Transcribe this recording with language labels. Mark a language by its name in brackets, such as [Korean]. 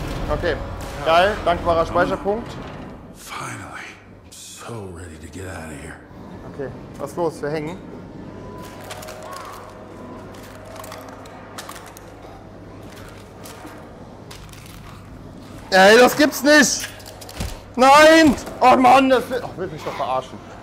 [German] Okay, geil, dankbarer Speicherpunkt. [English] Finally, so ready to get out of here. [German] Okay, was ist los? Wir hängen. Ey, das gibt's nicht! Nein! Oh Mann, das will, ach, will mich doch verarschen.